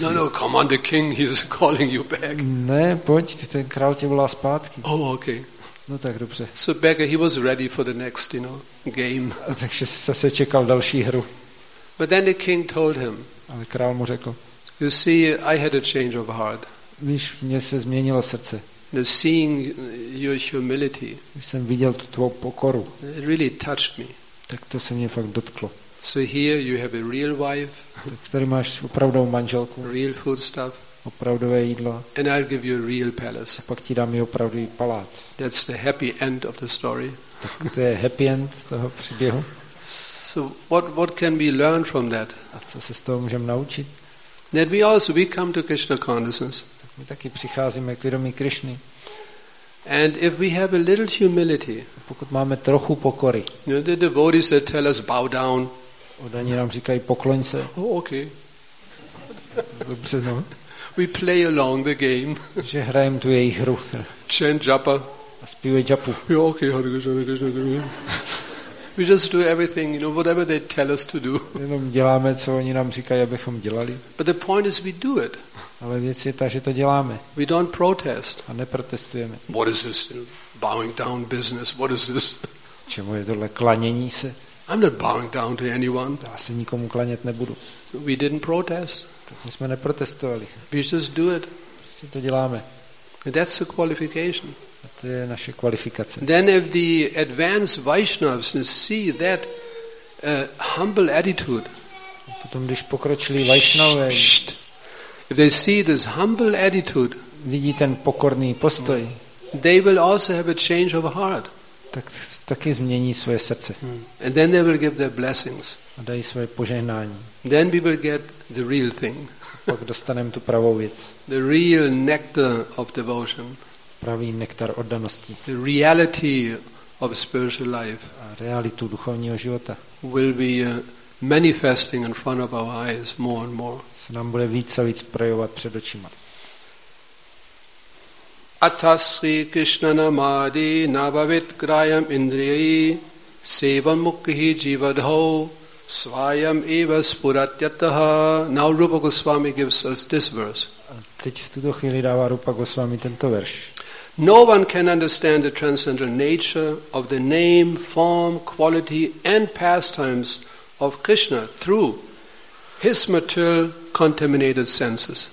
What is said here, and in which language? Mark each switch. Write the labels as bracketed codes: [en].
[en] No, come on, the king, he's calling you back. [cs] Ne, pojď, ten král tě volá zpátky. [en] Oh, okay. [cs] No tak dobře. [en] So beggar, he was ready for the next, you know, game. [cs] A takže zase čekal další hru. [en] But then the king told him. [cs] Ale král mu řekl. [en] You see, I had a change of heart. [cs] Víš, mě se změnilo srdce. [en] The seeing your humility. [cs] Když jsem viděl tu tvou pokoru. [en] It really touched me. [cs] Tak to se mě fakt dotklo. [en] So here you have a real wife. [cs] Tak tady máš opravdovou manželku. [en] Real food stuff. [cs] Opravdové jídlo. [en] And I'll give you a real palace. [cs] A pak ti dám opravdový palác. [en] That's the happy end of the story. [cs] Tak to je happy end toho příběhu. [en] So what can we learn from that? [cs] A co se z toho můžeme naučit? [en] That we also we come to Krishna consciousness. [cs] My taky přicházíme k vědomí Krišny. [en] And if we have a little humility, [cs] pokud máme trochu pokory, [en] you know, the devotees that tell us bow down, [cs] oni nám říkají pokloň se. [en] Oh, okay. [cs] Dobře, no. [en] We play along the game. [cs] Že hrajeme tu jejich hru. [en] Chant japa. [cs] A zpívají japu. [en] Jo, okay, Hare Krishna, Krishna, Krishna. We just do everything, you know, whatever they tell us to do. [cs] Jenom děláme, co oni nám říkají, abychom dělali. [en] But the point is, we do it. [cs] Ale věc je ta, že to děláme. [en] We don't protest. [cs] A neprotestujeme. [en] What is this bowing down business? What is this? [cs] Čemu je tohle klanění se? [en] I'm not bowing down to anyone. [cs] Já se nikomu klanět nebudu. [en] We didn't protest. [cs] My jsme neprotestovali. [en] We just do it. [cs] Prostě to děláme. [en] And that's the qualification. [cs] A to je naše kvalifikace. [en] Then if the advanced Vaishnavas see that humble attitude. [cs] Potom když pokročili Vaishnavé. [en] If they see this humble attitude, [cs] vidí ten pokorný postoj, [en] they will also have a change of heart. [cs] Tak taky změní svoje srdce. [en] And then they will give their blessings. [cs] A dají svoje požehnání. [en] Then we will get the real thing. [cs] Pak dostaneme tu pravou věc. [en] The real nectar of devotion. [cs] Pravý nektar oddanosti. [en] The reality of spiritual life. [cs] A realitu duchovního života. [en] Will be manifesting in front of our eyes more and more. [cs] Se nám bude víc a víc projevovat před očima. [sa] Atasri Krishna namadi navavit krayam indriyai sevam mukhi jivadho svayam eva spuratyataha. [en] Now Rupa Goswami gives us this verse. [cs] Teď v tuto chvíli dává Rupa Goswami tento verš. [en] No one can understand the transcendental nature of the name, form, quality and pastimes of Krishna through his material contaminated senses.